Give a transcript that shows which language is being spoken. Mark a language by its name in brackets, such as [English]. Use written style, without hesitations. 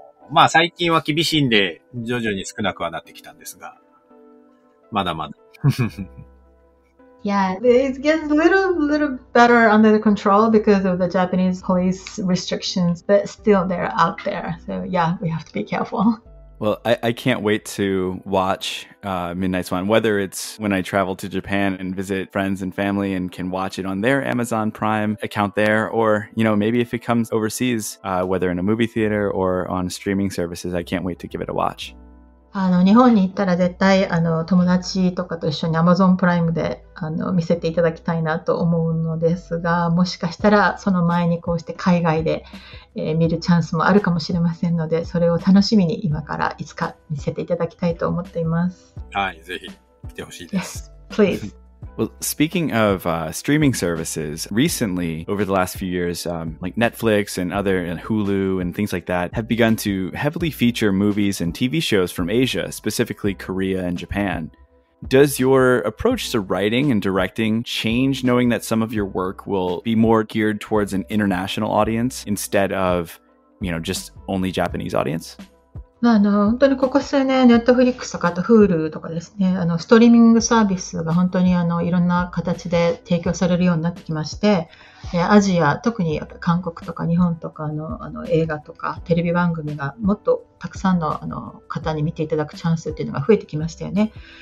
[Japanese] まあ最近は厳しいんで、徐々に少なくはなってきたんですが。まだまだ。 [English] Yeah, it gets little better under the control because of the Japanese police restrictions, but still they're out there. So yeah, we have to be careful. Well, I can't wait to watch Midnight Swan, whether it's when I travel to Japan and visit friends and family and can watch it on their Amazon Prime account there, or, you know, maybe if it comes overseas, whether in a movie theater or on streaming services, I can't wait to give it a watch. [Japanese] 日本に行ったら絶対友達とかと一緒に Amazon プライムで見せていただきたいなと思うのですが、もしかしたらその前にこうして海外で、見るチャンスもあるかもしれませんので、それを楽しみに今からいつか見せていただきたいと思っています。はい、ぜひ来てほしいです。 [English] Yes, please. Well, speaking of streaming services, recently over the last few years, like Netflix and other and Hulu and things like that have begun to heavily feature movies and TV shows from Asia, specifically Korea and Japan. Does your approach to writing and directing change knowing that some of your work will be more geared towards an international audience instead of, you know, just only Japanese audience? [Japanese] 本当にここ数年、ネットフリックスとかあと Hulu とかですね、ストリーミングサービスが本当にいろんな形で提供されるようになってきまして、アジア、特にやっぱ韓国とか日本とかの、映画とかテレビ番組がもっとたくさんの、方に見ていただくチャンスっていうのが増えてきましたよね。